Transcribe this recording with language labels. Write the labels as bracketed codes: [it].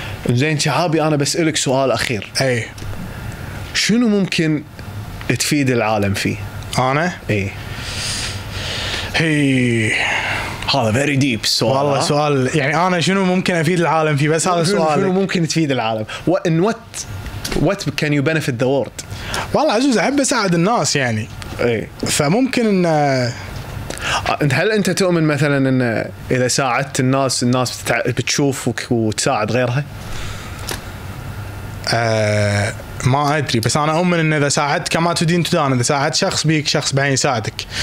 [ar] زين شعابي أنا بسألك سؤال أخير. أي. شنو ممكن تفيد العالم فيه؟ أنا. أي. هي. هذا [en] very deep [ar] سؤال. والله سؤال يعني أنا شنو ممكن أفيد العالم فيه؟ بس هذا سؤال. شنو ممكن تفيد العالم؟ وإن [en] what can you benefit the world؟ [ar] والله عزوز أحب أساعد الناس يعني. إيه. فممكن إن. أنت هل أنت تؤمن مثلاً إن إذا ساعدت الناس الناس بتشوف وتساعد غيرها؟ ما أدري، بس أنا أؤمن إن إذا ساعدت كما تدين تدان، إذا ساعدت شخص بيك شخص بعين يساعدك.